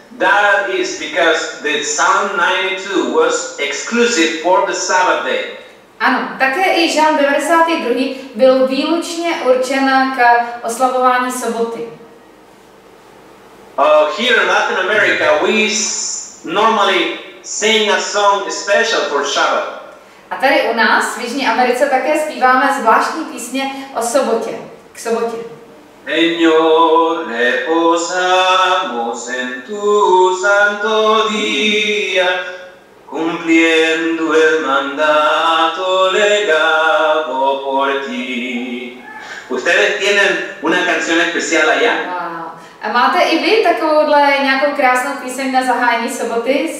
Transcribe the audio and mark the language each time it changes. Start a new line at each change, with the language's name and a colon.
English: That is because the Psalm 92 was exclusive for the Sabbath day.
Czech: Ano, také i žalm 92. byl výlučně určen k oslavování soboty.
English: Here in Latin America, we normally sing a song special for Shabbat.
Czech: A tady u nás v Jižní Americe také zpíváme zvláštní písně o sobotě. K sobotě.
Spanish: Señor, reposamos en tu santo día, cumpliendo el mandato legado por ti. Ustedes tienen una canción especial allá.
Czech: A máte i vy takovouhle nějakou krásnou píseň na zahájení soboty?